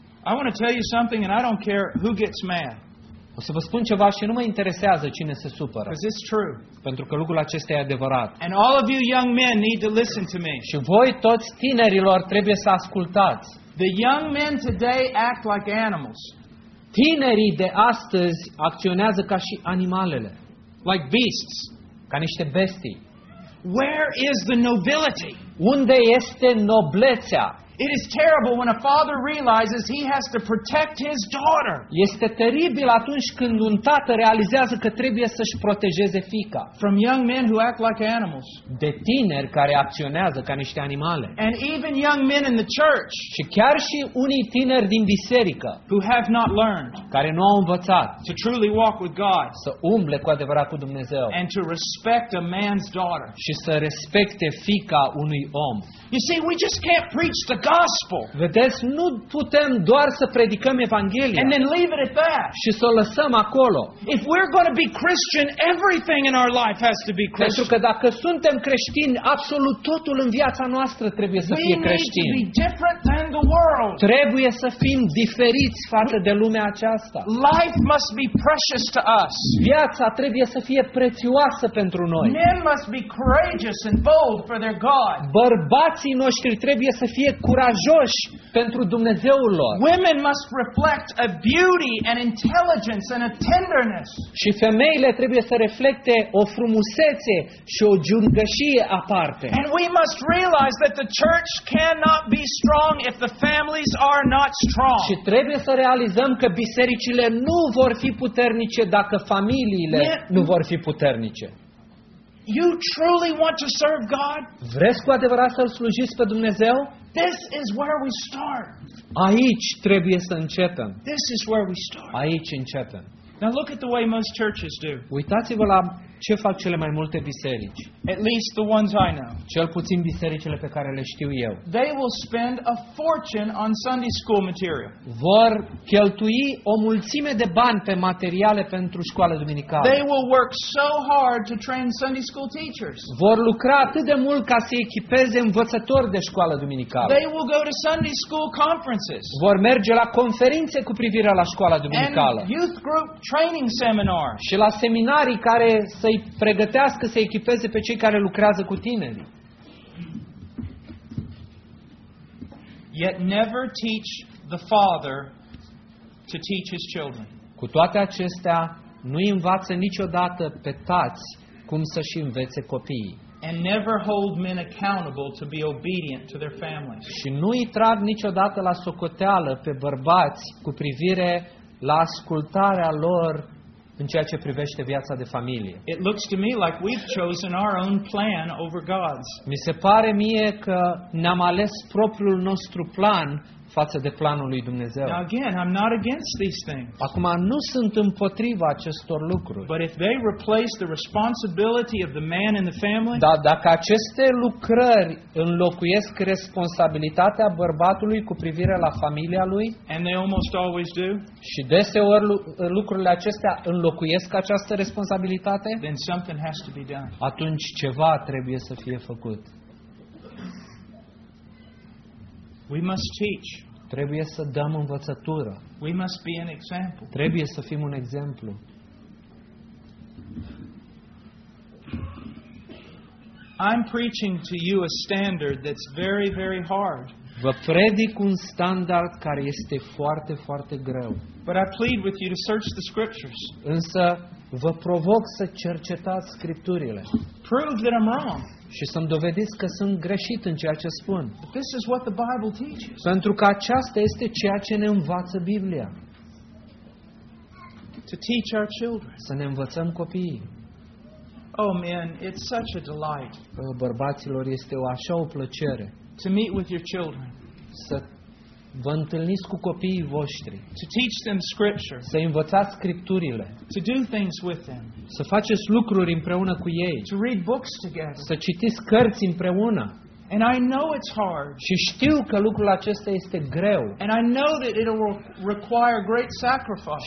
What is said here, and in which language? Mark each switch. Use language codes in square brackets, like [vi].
[en] I want to tell you something and I don't care who gets mad. [ro] O să vă spun ceva și nu mă interesează cine se supără. [en] Because it's true. [ro] Pentru că lucrul acesta e adevărat. [en] And all of you young men need to listen to me. [ro] Și voi toți tinerilor trebuie să ascultați. [en] The young men today act like animals. [ro] Tinerii de astăzi acționează ca și animalele. [en] Like beasts. [ro] Ca niște bestii. [en] Where is the nobility? [ro] Unde este noblețea? [en] It is terrible when a father realizes he has to protect his daughter. [ro] Este teribil atunci când un tată realizează că trebuie să-și protejeze fiica. [en] From young men who act like animals. [ro] De tineri care acționează ca niște animale. [en] And even young men in the church. [ro] Și chiar și unii tineri din biserică. [en] Who have not learned. [ro] Care nu au învățat. [en] To truly walk with God. [ro] Să umble cu adevărat cu Dumnezeu. [en] And to respect a man's daughter. [ro] Și să respecte fiica unui om. [en] You see, we just can't preach the gospel. [ro] Vedeți, nu putem doar să predicăm Evanghelia. [en] And then leave it at that. [ro] Și să o lăsăm acolo. [en] If we're going to be Christian, everything in our life has to be Christian. [ro] Pentru că dacă suntem creștini, absolut totul în viața noastră trebuie să fie creștin. [en] We need to be different than the world. [ro] Trebuie să fim diferiți față de lumea aceasta. [en] Life must be precious to us. [ro] Viața trebuie să fie prețioasă pentru noi. [en] Men must be courageous and bold for their God. [ro] Bărbații noștri trebuie să fie curajoși pentru Dumnezeul lor. [en] Women must reflect a beauty and intelligence and a tenderness. [ro] Și femeile trebuie să reflecte o frumusețe și o gingășie aparte. [en] And we must realize that the church cannot be strong if the families are not strong. [ro] Și trebuie să realizăm că bisericile nu vor fi puternice dacă familiile nu vor fi puternice. [en] You truly want to serve God? [ro] Vreți cu adevărat să-L slujiți pe Dumnezeu? [en] This is where we start. [ro] Aici trebuie să începem. [en] This is where we start. [ro] Aici începem. [en] Now look at the way most churches do. [ro] Uitați-vă la ce fac cele mai multe biserici. [en] At least the ones I know. [ro] Cel puțin bisericile pe care le știu eu. [en] They will spend a fortune on Sunday school material. [ro] Vor cheltui o mulțime de bani pe materiale pentru școală duminicală. [en] They will work so hard to train Sunday school teachers. [ro] Vor lucra atât de mult ca să echipeze învățători de școală duminicală. [en] They will go to Sunday school conferences. [ro] Vor merge la conferințe cu privire la școala duminicală. [en] And youth group training seminar. [ro] Și la seminarii care să-i pregătească, să-i echipeze pe cei care lucrează cu tinerii. [en] Yet never teach the father to teach his children. [ro] Cu Cu toate acestea, nu învață niciodată pe tați cum să-și învețe copiii. [en] And never hold men accountable to be obedient to their families. [ro] Și nu îi trag niciodată la socoteală pe bărbați cu privire la ascultarea lor în ceea ce privește viața de familie. [en] It looks to me like we've chosen our own plan over God's. [ro] Mi se pare mie că ne-am ales propriul nostru plan față de planul lui Dumnezeu. [en] Now again, I'm not against these things. [ro] Acum nu sunt împotriva acestor lucruri. [en] But if they replace the responsibility of the man in the family, [ro] dar dacă aceste lucrări înlocuiesc responsabilitatea bărbatului cu privire la familia lui, [en] and they almost always do, [ro] și deseori lucrurile acestea înlocuiesc această responsabilitate, [en] then something has to be done. [ro] Atunci ceva trebuie să fie făcut. [en] We must teach. [ro] Trebuie să dăm învățătură. [en] We must be an example. [ro] Trebuie să fim un exemplu. [en] I'm preaching to you a standard that's very, very hard. [ro] Vă predic un standard care este foarte, foarte greu. [en] But I plead with you to search the scriptures. [ro] Însă vă provoc să cercetați scripturile. [en] Prove that I'm wrong. [ro] Și să-mi dovediți că sunt greșit în ceea ce spun. [en] This is what the Bible teaches. [ro] Pentru că aceasta este ceea ce ne învață Biblia. [en] To teach our children. [ro] Să ne învățăm copiii. [en] Oh man, it's such a delight. [ro] Bărbaților, este o așa o plăcere. [en] To meet with your children. [ro] Să vă întâlniți cu copiii voștri. [en] To teach them scripture. [ro] Să învățați scripturile. [en] To do things with them. [ro] Să faceți lucruri împreună cu ei. [en] To read books together. [ro] Să citiți cărți împreună. [en] And I know it's hard. [ro] Și știu că lucrul acesta este greu. [en] And I know that it will require great sacrifice.